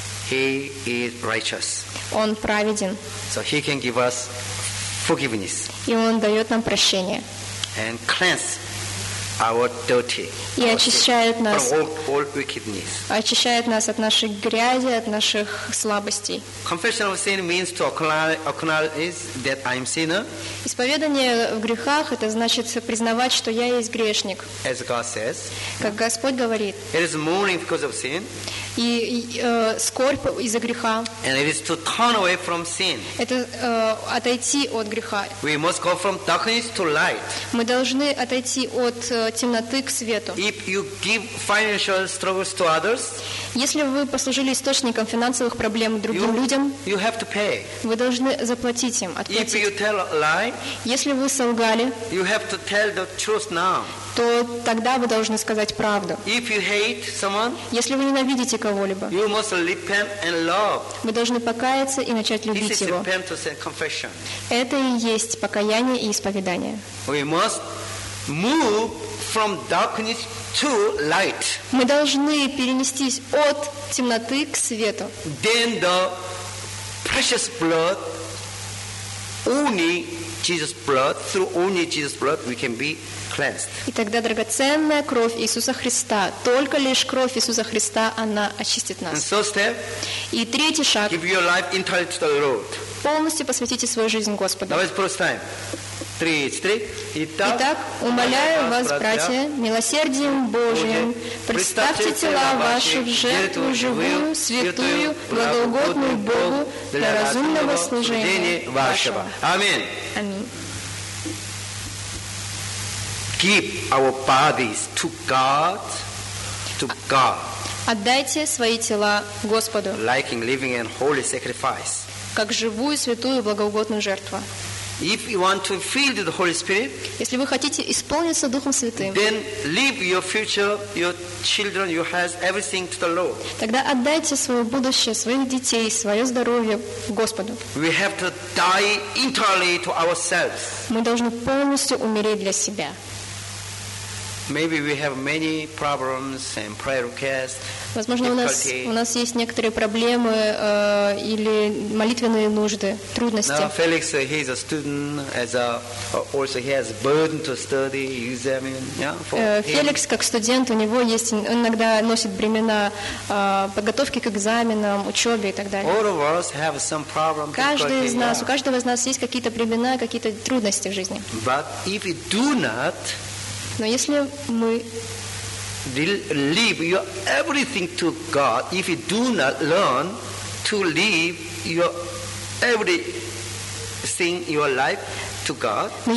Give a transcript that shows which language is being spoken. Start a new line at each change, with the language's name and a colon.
English: He is righteous.
Russian: Он праведен.
English: So he can give us forgiveness.
Russian: И Он дает нам прощение.
English: And cleanse our dirty.
Russian: И очищает нас.
English: From all wickedness.
Russian: Очищает нас от нашей грязи, от наших слабостей.
English: Confession of sin means to acknowledge that I'm sinner.
Russian: Исповедание в грехах это значит признавать, что я есть грешник.
English: As God says.
Russian: Как Господь говорит.
English: It is mourning because of sin.
Russian: И скорбь из-за греха.
English: And it is to turn away from sin.
Russian: Это отойти от греха.
English: We must go from darkness to light.
Russian: Мы должны отойти от темноты к свету.
English: If you give financial struggles to others,
Russian: если вы послужили источником финансовых проблем другим людям,
English: you have to pay.
Russian: Вы должны заплатить им, отплатить.
English: If you tell a lie,
Russian: если вы солгали,
English: you have to tell the truth now.
Russian: То тогда вы должны сказать правду.
English: If you hate someone,
Russian: если вы ненавидите кого-либо,
English: you must repent and love.
Russian: Вы должны покаяться и начать любить
English: This is
Russian: его.
English: Repentance and confession.
Russian: Это и есть покаяние и исповедание.
English: We must move from darkness to light.
Russian: Мы должны перенестись от темноты к свету.
English: Then the precious blood, only Jesus' blood, through only Jesus' blood, we can be cleansed.
Russian: И тогда драгоценная кровь Иисуса Христа, только лишь кровь Иисуса Христа, она очистит нас.
English: And so step.
Russian: И третий шаг.
English: Give your life entirely to the Lord.
Russian: Полностью посвятите свою жизнь Господу. Давайте прочитаем. Итак, умоляю вас, братья, милосердием Божиим, представьте тела ваши в жертву живую, святую, благоугодную Богу для разумного служения вашего. Аминь. Аминь.
English: give our bodies to God, to God.
Russian: Отдайте свои тела Господу.
English: Like living and holy sacrifice.
Russian: Как живую, святую, благоугодную жертву.
English: If you want to feel the Holy Spirit,
Russian: если вы хотите исполниться Духом Святым,
English: then leave your future, your children, your health, everything to the Lord.
Russian: Тогда отдайте свое будущее, своих детей, свое здоровье Господу.
English: We have to die entirely to ourselves.
Russian: Мы должны полностью умереть для себя.
English: Maybe we have many problems and prayer requests.
Russian: Возможно, у нас есть некоторые проблемы или молитвенные нужды, трудности.
English: Now Felix, he's a student, also he has burden to study, examine, yeah.
Russian: Felix, как студент, у него есть, он иногда носит бремена подготовки к экзаменам, учебе и так далее.
English: All of us have some problems.
Russian: Каждый из нас, у каждого из нас есть какие-то бремена, какие-то трудности в жизни.
English: But if we do not.
Russian: Но если мы
English: leave your everything to God, if you do not learn to leave your everything in your life to God,